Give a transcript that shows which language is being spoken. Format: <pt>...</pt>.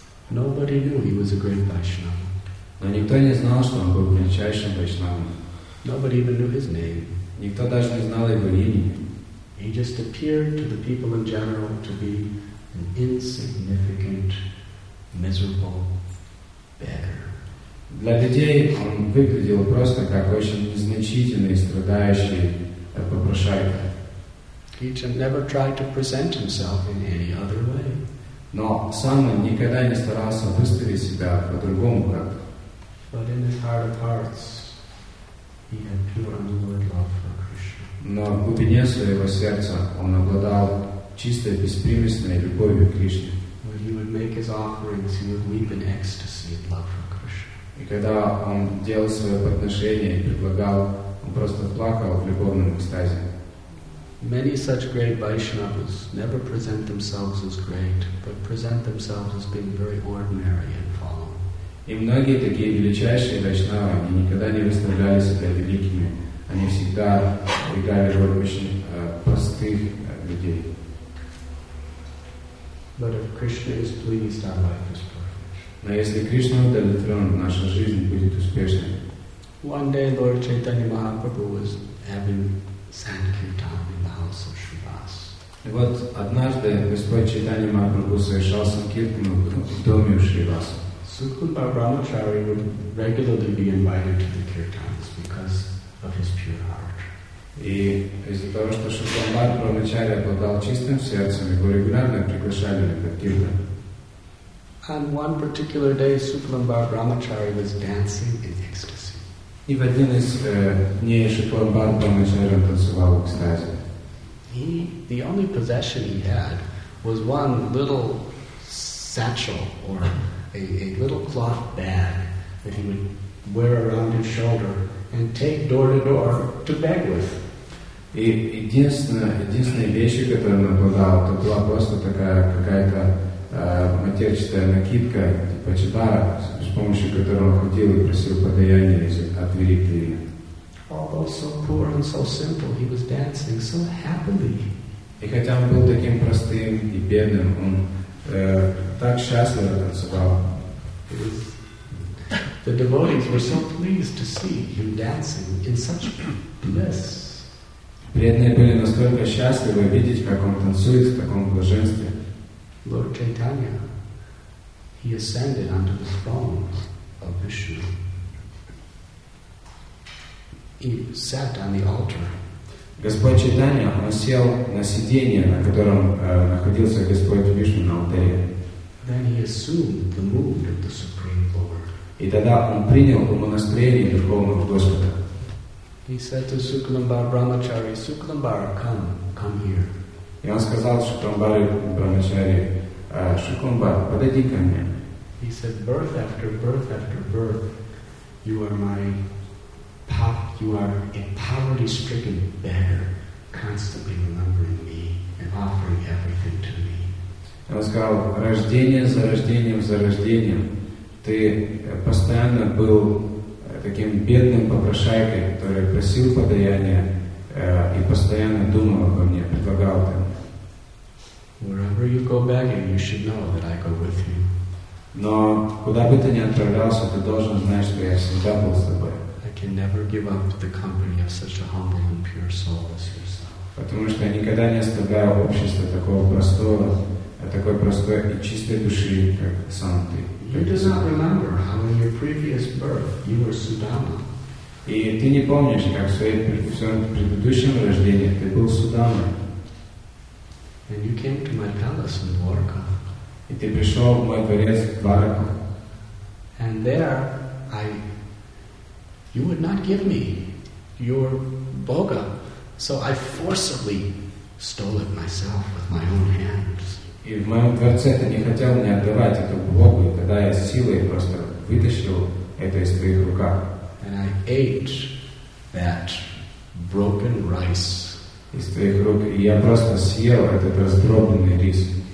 <en>Nobody knew he was a great Vaishnava.</en> <ru>Но никто не знал, что он был величайшим Вайшнавом.</ru> <en>Nobody even knew his name.</en> <ru>Никто даже не знал его имени.</ru> <en>He just appeared to the people in general to be an insignificant, miserable beggar.</en> <ru>Для людей он выглядел просто как очень незначительный, страдающий попрошайка.</ru> <en>He never tried to present himself in any other way.</en> <ru>Но сам он никогда не старался выставить себя по-другому как-то.</ru> <en>But in his heart of hearts, he had pure unalloyed love for Krishna.</en> <ru>Но в глубине своего сердца он обладал чистой, беспримесной любовью к Кришне.</ru> <en>When he would make his offerings, he would weep in ecstasy at love for Krishna.</en> <ru>И когда он делал свое подношение и предлагал, он просто плакал в любовном экстазе.</ru> <en>Many such great Vaishnavas never present themselves as great, but present themselves as being very ordinary and fallen.</en> <ru>И многие такие величайшие Вайшнавы, они никогда не выставляли себя великими. Они всегда играли роль очень простых людей.</ru> <en>But if Krishna is pleased, our life is perfect.</en> <ru>Но если Кришна удовлетворен, наша жизнь будет успешной.</ru> <en>One day, Lord Chaitanya Mahaprabhu was having sankirtan in the house of Shrivas.</en> <ru>И вот однажды Господь Чайтанья Махапрабху совершал санкиртану в доме Шриваса.</ru> <en>Sukumbhar Brahmachari would regularly be invited to the kirtans because of his pure heart.</en> <ru>И из-за того, что Шукамбар вначале обладал чистым сердцем, его регулярно приглашали на картину.</ru> <en>And one particular day Sukumbhar Brahmachari was dancing in ecstasy.</en> <ru>И в один из дней Шукамбар Брамачари танцевал в экстазе.</ru> <en>He, the only possession he had was one little satchel or a little cloth bag that he would wear around his shoulder and take door to door to beg with.</en> <ru>И единственная вещь, которую он обладал, это была просто такая какая-то матерчатая накидка, типа чадара, с помощью которой он ходил и просил подаяния от двери к двери.</ru> <en>Although so poor and so simple, he was dancing so happily.</en> <ru>И хотя он был таким простым и бедным, он так счастливо танцевал.</ru> <en>The devotees were so pleased to see him dancing in such bliss.</en> <ru>Преданные были настолько счастливы видеть, как он танцует в таком блаженстве.</ru> <en>Lord Chaitanya, he ascended onto the throne of Vishnu. He sat on the altar.</en> <ru>Господь Чайтанья, он сел на сиденье, на котором находился Господь Вишну на алтаре.</ru> <en>then he assumed the mood of the Supreme Lord.</en> <ru>И тогда он принял его настроение Верховного Господа.</ru> <en>He said to Suklambar Brahmachari, Suklambar, come, come here.</en> <ru>И он сказал Суклумбаре Брамачари, Суклумбар, подойди ко мне.</ru> <en>He said, birth after birth after birth, you are my path, you are a poverty stricken beggar, constantly remembering me and offering everything to me.</en> <ru>И он сказал, рождение за рождением за рождением, ты постоянно был таким бедным попрошайкой, который просил подаяния и постоянно думал обо мне, предлагал ты.</ru> <en>Wherever you go begging, you should know that I go with you.</en> <ru>Но куда бы ты ни отправлялся, ты должен знать, что я всегда был с тобой.</ru> <en>I can never give up the company of such a humble and pure soul as yourself.</en> <ru>Потому что я никогда не оставляю общество такого простого, такой простой и чистой души, как сам ты.</ru> <en>You do not remember how in your previous birth you were Sudama.</en> <ru>И ты не помнишь, как в своем предыдущем рождении ты был Судама.</ru> <en>And you came to my palace in Dwarka.</en> <ru>И ты пришел в мой дворец в Дварку.</ru> <en>And there, you would not give me your boga, so I forcibly stole it myself with my own hands.</en> <ru>И в моем дворце ты не хотел мне отдавать эту богу, и тогда я силой просто вытащил это из твоих рук.</ru> <en>And I ate that broken rice.</en> <ru>Из твоих рук, и я просто съел этот раздробленный рис.</ru>